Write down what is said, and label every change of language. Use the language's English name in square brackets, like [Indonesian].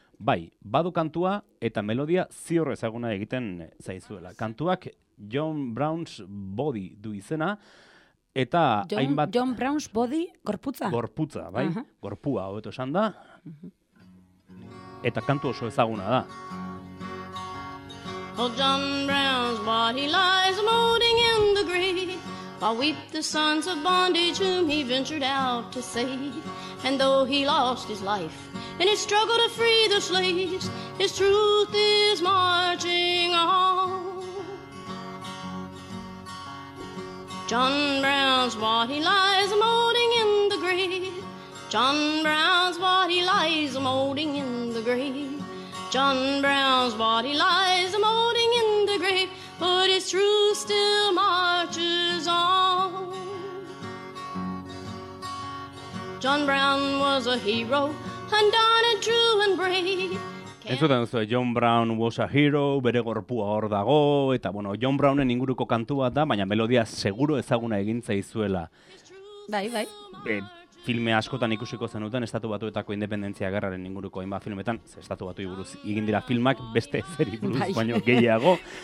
[Basque] Bai, badu kantua eta melodia ziur ezaguna egiten zaizuela. Kantuak John Brown's Body du izena, eta hainbat... John Brown's Body, gorputza. Gorputza, bai? Uh-huh. Gorpua, hobeto esan da. Eta kantu oso ezaguna da. [English] Oh, John Brown's body lies molding in the grave. I weep the sons of bondage whom he ventured out to save. And though he lost his life in his struggle to free the slaves, his truth is marching on. John Brown's body lies molding in the grave. John Brown's body lies molding in the grave. John Brown's body lies molding in the grave, but his truth still marches on. John Brown was a hero, undaunted, true and brave. [Basque] Entzuten duzu, [English] John Brown was a hero, [Basque] bere gorpua hor dago, eta bueno, John Brownen inguruko kantua da, baina melodia seguro ezaguna egin zaizuela. Bai, bai. filme askotan ikusiko zenuten Estatu Batuetako independentzia gerraren inguruko hainbat filmetan, ze Estatu Batuei buruz egin dira filmak beste zeri buruz baino gehiago.